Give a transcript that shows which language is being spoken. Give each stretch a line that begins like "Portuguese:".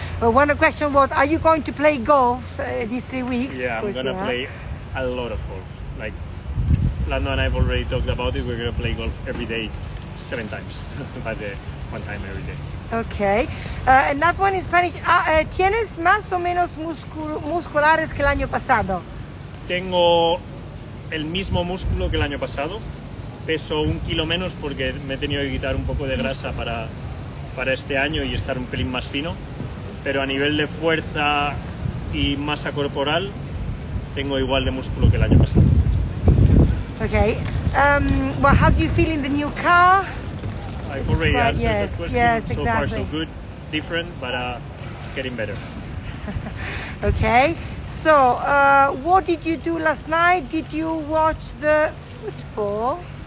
English: Well, one question was, are you going to play golf these 3 weeks? Yeah, I'm going to play a lot of golf. Like, Lando and I have already talked about it. We're going to play golf every day, 7 times, but one time every day. Okay. Another one in Spanish.
Spanish: ¿Tienes más o menos musculares que el año pasado? Tengo el mismo músculo que el año pasado. Peso 1 kilo menos porque me he tenido que quitar un poco de grasa para este año y estar un pelín más fino, pero a nivel de fuerza y masa corporal tengo igual de músculo que el año pasado.
English: Okay. Well, how do you feel in the new car? I've already answered the question. Yes, so exactly. Far, so good. Different, but it's getting better. Okay. So, what did you do last night? Did you watch the football?